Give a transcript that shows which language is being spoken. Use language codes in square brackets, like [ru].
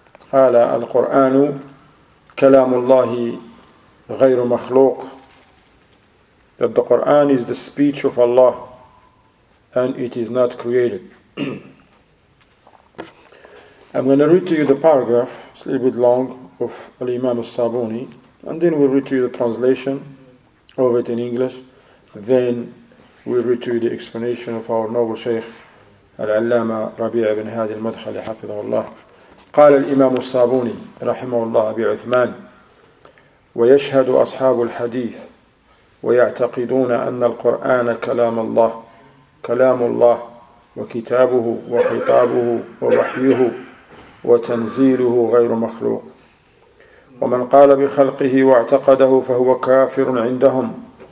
[ar] قال القرآن كلام الله غير مخلوق. [en] That the Quran is the speech of Allah and it is not created. I'm going to read to you the paragraph, it's a little bit long, of Al-Imam al-Sabuni, and then we'll read to you the translation of it in English, then we'll read to you the explanation of our noble Shaykh Al-Allama Rabi' ibn Hadi al-Madkhali [ar] حفظه الله. قال الإمام الصابوني رحمه الله أبي عثمان: ويشهد أصحاب الحديث ويعتقدون أن القرآن كلام الله، كلام الله وكتابه وخطابه ووحيه وتنزيله غير مخلوق، ومن قال بخلقه واعتقده فهو كافر عندهم.